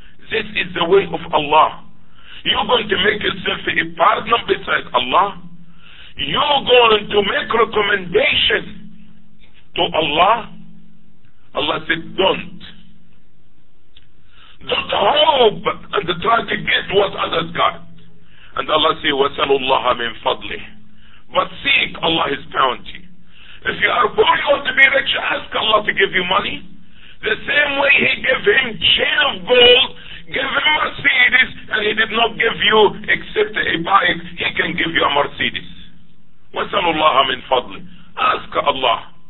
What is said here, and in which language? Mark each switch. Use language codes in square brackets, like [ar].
[en] This is the way of Allah. You're going to make yourself a partner beside Allah. You're going to make recommendations to Allah. Allah said, don't hope and try to get what others got. And Allah said, [ar] وَسَلُوا اللَّهَ مِنْ فَضْلِهِ. [en] But seek Allah's bounty. If you are poor, you want to be rich, ask Allah to give you money. The same way He gave him chain of gold, give him Mercedes, and He did not give you except a bike, He can give you a Mercedes. [ar] وَسَلُوا اللَّهَ مِنْ فَضْلِ. [en] Ask Allah.